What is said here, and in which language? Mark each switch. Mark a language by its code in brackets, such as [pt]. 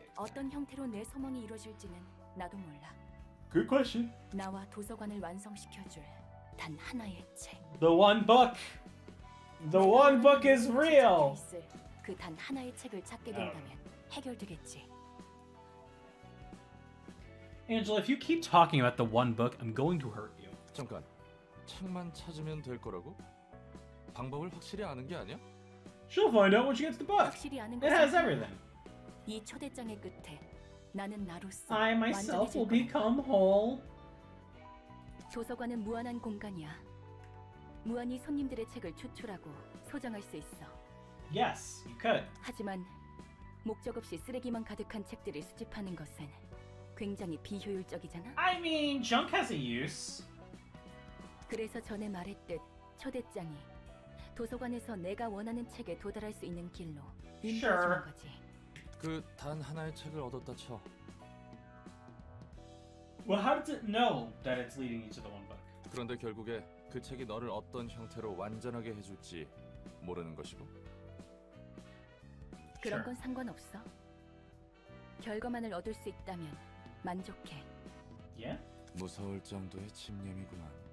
[ko] 어떤 형태로 내 소망이 이루어질지는 나도 몰라. [en] Good question. [ko] 나와 도서관을 완성시켜줄 단 하나의 책. [en] The one book. The one book is real. [ko] 그 단 하나의 책을 찾게 된다면 해결되겠지. [en] Angela, if you keep talking about the one book, I'm going to hurt you. [ko] 잠깐. 책만 찾으면 될 거라고? 방법을 확실히 아는 게 아니야? [en] She'll find out when she gets the book. It has everything. [ko] 이 초대장의 끝에 나는 나로서 [en] I myself will become whole. [ko] 도서관은 무한한 공간이야. 무한히 손님들의 책을 추출하고 소장할 수 있어. [en] Yes, you could. [ko] 하지만 목적 없이 쓰레기만 가득한 책들을 수집하는 것은 굉장히 비효율적이잖아. [en] I mean, junk has a use. [ko] 그래서 전에 말했듯 초대장이 도서관에서 내가 원하는 책에 도달할 수 있는 길로 인도해주는 [en] sure. [ko] 거지. 그 단 하나의 책을 얻었다 쳐. [en] Well, how does it know that it's leading you to the one book? [ko] 그런데 결국에 그 책이 너를 어떤 형태로 완전하게 해줄지 모르는 것이고. [en] Sure. [ko] 그런 건 상관없어. 결과만을 얻을 수 있다면 만족해. [en] Yeah? [ko] 무서울 정도의 집념이구만.